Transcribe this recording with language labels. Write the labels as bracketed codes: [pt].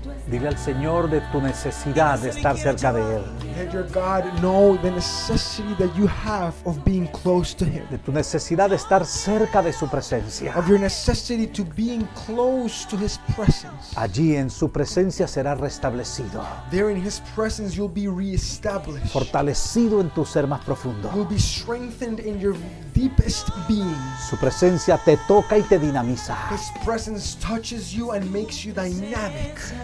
[es] Dile al Señor de tu necesidad de estar cerca de Él. [en] let your God know the necessity that you have of being close to Him. [es] De tu necesidad de estar cerca de su presencia. [en] Of your necessity to being close to His presence. [es] Allí en su presencia será restablecido. [en] There in His presence you'll be reestablished. [es] Fortalecido en tu ser más profundo. [en] You'll be strengthened in your deepest being. [es] Su presencia te toca y te dinamiza. [en] His presence touches you and makes you dynamic.